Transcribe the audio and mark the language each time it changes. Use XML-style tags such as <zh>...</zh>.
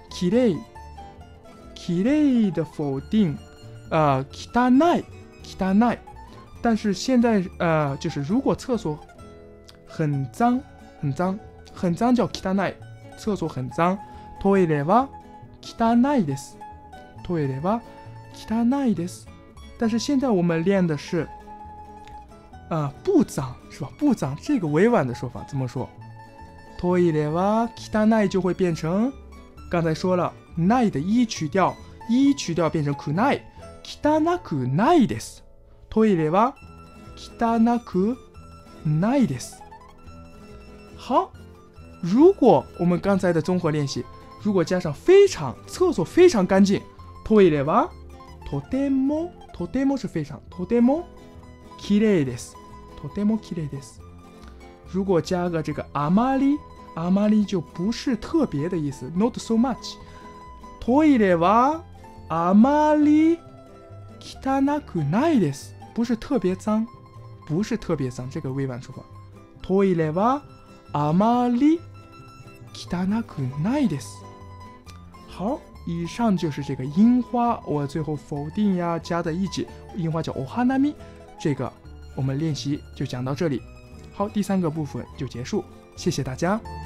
<ja>きれい、きれい的否定，きたない、きたない。</ja> <zh>但是现在就是如果厕所很脏、很脏、很脏叫</zh> <ja>きたない，</ja> <zh>厕所很脏。</zh> <ja>トイレはきたないです。トイレはきたないです。</ja> <zh>但是现在我们练的是不脏，是吧？不脏，这个委婉的说法怎么说？</zh> <ja>トイレは汚い</ja> <zh>就会变成，刚才说了ない的一曲调，一曲调变成</zh> <ja>くない、汚くないです。トイレは汚くないです。</ja> <zh>好，如果我们刚才的综合练习如果加上非常，厕所非常干净，</zh> <ja>トイレはとても、とても</ja> <zh>是非常，</zh> <ja>とてもきれいです、とてもきれいです。</ja> <zh>如果加个这个あまり，あまり就不是特别的意思，</zh> <en>not so much。</en> <ja>トイレはあまり汚くないです。</ja> <zh>不是特别脏，不是特别脏，这个委婉说法。</zh> <ja>トイレはあまり汚くないです。</ja> <zh>好，以上就是这个樱花，我最后否定呀加的一句，樱花叫お花見，这个我们练习就讲到这里。好，第三个部分就结束，谢谢大家。</zh>